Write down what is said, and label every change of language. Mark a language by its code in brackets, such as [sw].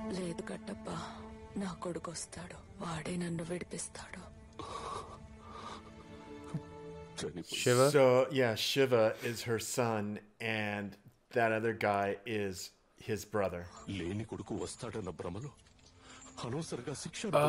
[te] లేదు కట్టప్పా, నా కొడుకు వస్తాడు, వాడే నన్ను విడిపిస్తాడు. [en] Shiva? So yeah, Shiva is her son, and that other guy is his brother. [te] లేని కొడుకు వస్తాడన్న భ్రమలో అనవసరంగా శిక్ష.